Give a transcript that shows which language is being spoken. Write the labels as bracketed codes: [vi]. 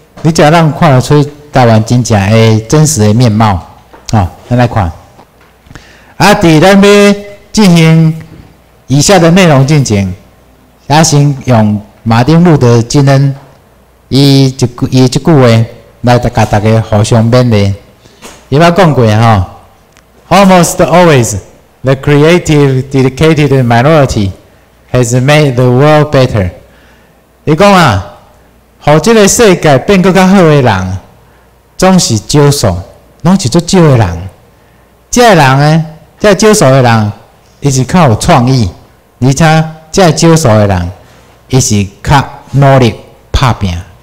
[nan] 你只要让看得出台湾真正的真实的面貌，咱来看。在咱要进行以下的内容进行，咱先用马丁路德金恩伊一句话来甲大家互相勉励。伊捌讲过吼 [en] ，Almost always the creative dedicated minority has made the world better。 [nan] 伊讲啊。好，这个世界变更加好的人，总是少数，拢是足少的人。这些人呢，这少数的人，伊是较有创意，而且这少数的人，伊是较努力打拼。